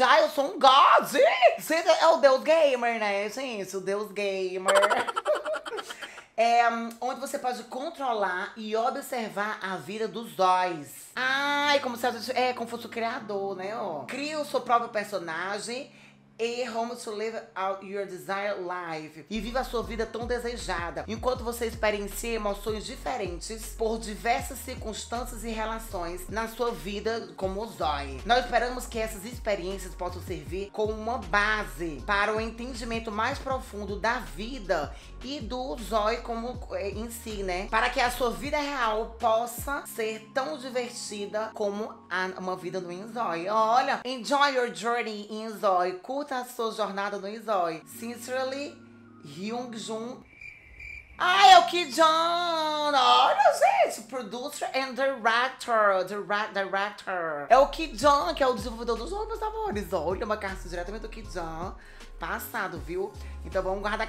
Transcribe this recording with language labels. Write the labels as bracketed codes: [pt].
[pt] Ai, eu sou um God! Você é o Deus Gamer, né, gente? O Deus Gamer. É, onde você pode controlar e observar a vida dos Zóis. Ai, como se a gente... É, como fosse o criador, né, ó. Crie o seu próprio personagem [en] A home to live out your desired life. [pt] E viva a sua vida tão desejada. Enquanto você experiencia emoções diferentes por diversas circunstâncias e relações na sua vida como Zoe. Nós esperamos que essas experiências possam servir como uma base para um entendimento mais profundo da vida e do Zoe como em si, né? Para que a sua vida real possa ser tão divertida como uma vida no Zoe. [en] Olha, enjoy your journey in Zoe. [pt] Curta a sua jornada no Zoe. [en] Sincerely, [pt] Hyung Jun. Ai, é o Ki-jun! Olha, gente! [en] Producer and director. Director. [pt] É o Ki-jun, que é o desenvolvedor dos homens, amores. Olha, uma carta diretamente do Ki-jun. Passado, viu? Então vamos guardar.